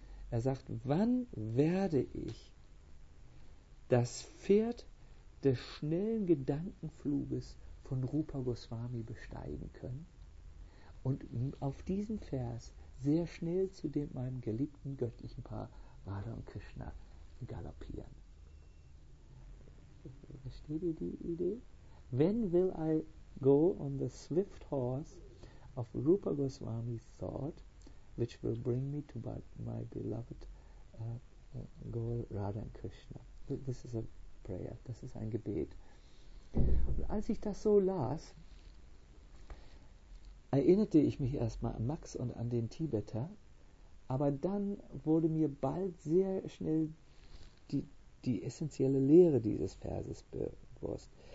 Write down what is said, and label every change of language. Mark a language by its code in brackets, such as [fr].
[de] Er sagt, wann werde ich das Pferd des schnellen Gedankenfluges von Rupa Goswami besteigen können und auf diesem Vers sehr schnell zu dem meinem geliebten göttlichen Paar Radha und Krishna galoppieren. Versteht ihr die Idee? [en] When will I go on the swift horse of Rupa Goswami's thought, which will bring me to my beloved goal, Radha and Krishna? This is a prayer, [de] das ist ein Gebet. Und als ich das so las, erinnerte ich mich erstmal an Max und an den Tibeter, aber dann wurde mir bald sehr schnell die essentielle Lehre dieses Verses bewusst.